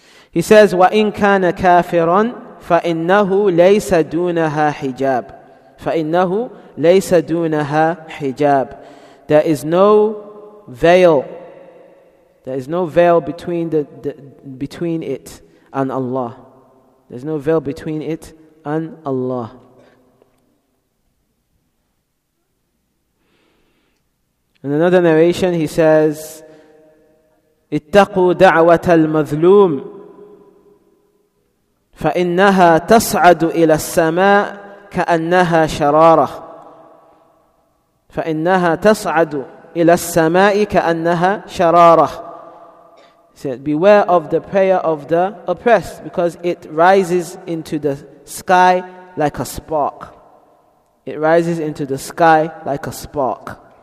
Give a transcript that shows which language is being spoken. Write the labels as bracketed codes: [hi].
[en] He says, [ar] وَإِن كَانَ كَافِرًا فَإِنَّهُ لَيْسَ دُونَهَا حِجَابٌ فَإِنَّهُ لَيْسَ دُونَهَا حِجَابٌ. [en] There is no veil. There is no veil between between it and Allah. There's no veil between it and Allah. In another narration, he says, [ar] اتقوا دعوة المظلوم فإنها تصعد إلى السماء كأنها شرارة فإنها تصعد إلى السماء كأنها شرارة. [en] He said, beware of the prayer of the oppressed, because it rises into the sky like a spark. It rises into the sky like a spark.